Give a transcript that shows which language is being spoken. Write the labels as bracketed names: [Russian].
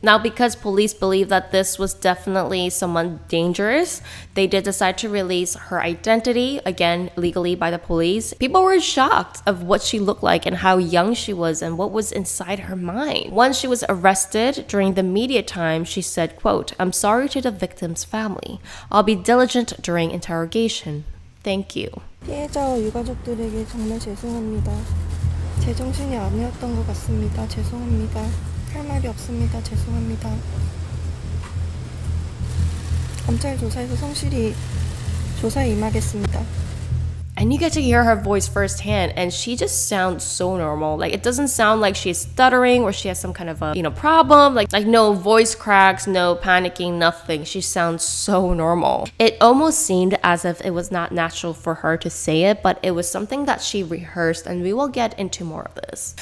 [English] Now, because police believe that this was definitely someone dangerous, they did decide to release her identity, again, legally by the police. People were shocked of what she looked like and how young she was and what was inside her mind. Once she was arrested, during the media time, she said, quote, "I'm sorry to the victim's family. I'll be diligent during interrogation. Thank you." [Korean] 피해자 유가족들에게 정말 죄송합니다. 제 정신이 아니었던 것 같습니다. 죄송합니다. 할 말이 없습니다. 죄송합니다. 검찰 조사에서 성실히 조사에 임하겠습니다. [English] And you get to hear her voice firsthand, and she just sounds so normal. Like, it doesn't sound like she's stuttering or she has some kind of a, you know, problem. Like no voice cracks, no panicking, nothing. She sounds so normal. It almost seemed as if it was not natural for her to say it, but it was something that she rehearsed, and we will get into more of this.